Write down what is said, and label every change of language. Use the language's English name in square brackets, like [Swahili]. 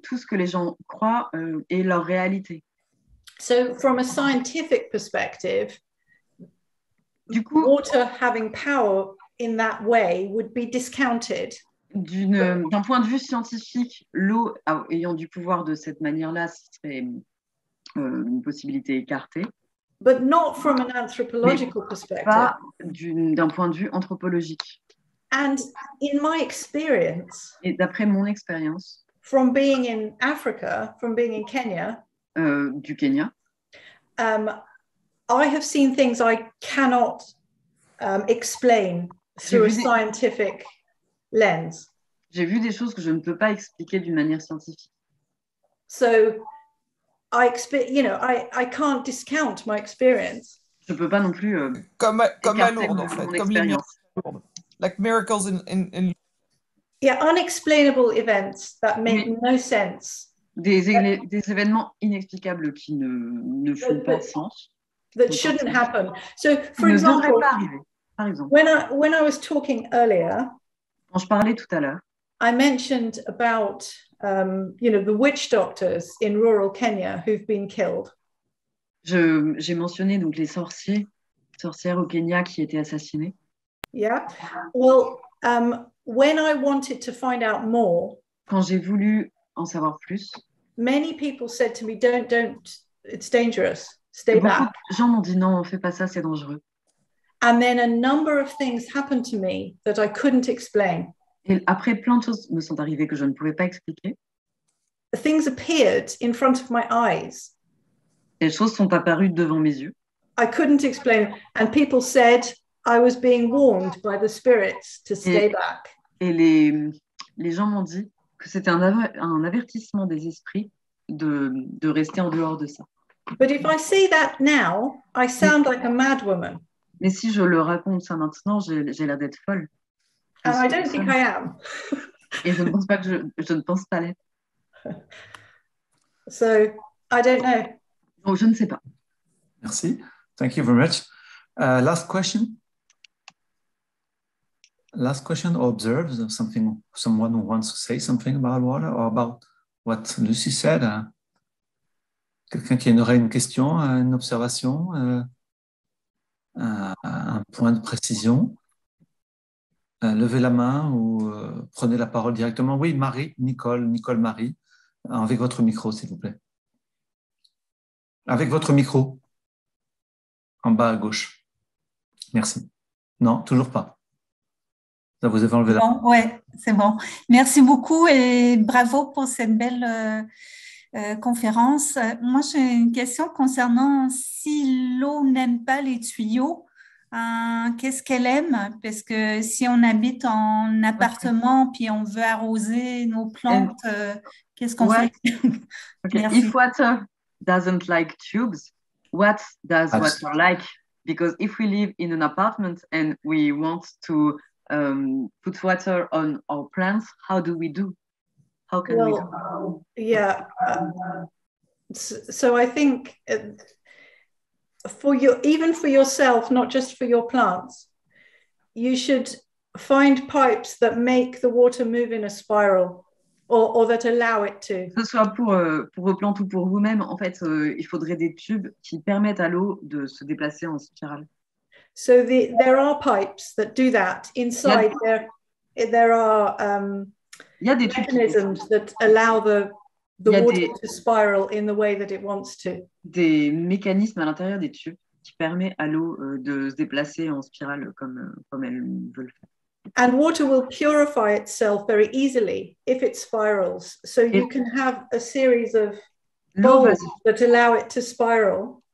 [French] Tout ce que les gens croient est leur réalité. [English] So, from a scientific perspective, [French] du coup, [English] water having power in that way would be discounted. [French] D'un point de vue scientifique, l'eau ayant du pouvoir de cette manière-là, ce serait une possibilité écartée. [English] But not from an anthropological perspective. [French] Pas d'un point de vue anthropologique. [English] And in my experience, [French] et d'après mon expérience, [English] from being in Africa, from being in Kenya, [French] du Kenya, [English] I have seen things I cannot explain through a scientific lens. [French] J'ai vu des choses que je ne peux pas expliquer d'une manière scientifique. [English] So, I can't discount my experience. [French] Je ne peux pas non plus comme à Lourdes, en fait, comme les miracles. [English] Like miracles in. Yeah, unexplainable events that make no sense. [French] Des événements inexplicables qui ne font pas de sens. [English] That shouldn't happen. So, for example, when I was talking earlier, [French] quand je parlais tout à l'heure, [English] I mentioned about the witch doctors in rural Kenya who've been killed. [French] J'ai mentionné donc les sorcières au Kenya qui étaient assassinées. [English] Yeah. Well, when I wanted to find out more, [French] quand j'ai voulu en savoir plus, [English] many people said to me, don't, it's dangerous, stay back. [French] Beaucoup de gens m'ont dit, non, on fait pas ça, c'est dangereux. [English] And then a number of things happened to me that I couldn't explain. [French] Et après, plein de choses me sont arrivées que je ne pouvais pas expliquer. [English] Things appeared in front of my eyes. [French] Et les choses sont apparues devant mes yeux. [English] I couldn't explain. And people said I was being warned by the spirits to stay back. [French] Et les gens m'ont dit que c'était un avertissement des esprits de rester en dehors de ça. [English] But if I say that now, I sound like a mad woman. [French] Mais si je le raconte ça maintenant, j'ai l'air d'être folle. [English] And I don't think I am. [French] Et je ne pense pas l'être. [English] So, I don't know. [French] Donc, je ne sais pas. Merci. [English] Thank you very much. Last question. Last question, observes something, someone who wants to say something about water or about what Luci said. [French] Quelqu'un qui aurait une question, une observation, un point de précision. Levez la main ou prenez la parole directement. Oui, Marie, Nicole Marie, avec votre micro, s'il vous plaît. Avec votre micro, en bas à gauche. Merci. Non, toujours pas. Ça vous a fait enlever la... Bon, ouais, c'est bon. Merci beaucoup et bravo pour cette belle conférence. Moi, j'ai une question concernant si l'eau n'aime pas les tuyaux, qu'est-ce qu'elle aime? Parce que si on habite en appartement okay. puis on veut arroser nos plantes, qu'est-ce qu'on fait? [English] Okay. If water doesn't like tubes, what does water like? Because if we live in an apartment and we want to put water on our plants, how do we do? How can we do? So I think for your, even for yourself, not just for your plants, you should find pipes that make the water move in a spiral. Or that allow it to. [French] Que ce soit pour vos plantes ou pour vous-même, en fait, il faudrait des tubes qui permettent à l'eau de se déplacer en spirale. [English] So there are pipes that do that inside. [French] Il y a des [English] mechanisms that allow the water to spiral in the way that it wants to. [French] Des mécanismes à l'intérieur des tubes qui permettent à l'eau de se déplacer en spirale comme elle veut le faire. [English] And water will purify itself very easily if it spirals. So you can have a series of bowls that allow it to spiral.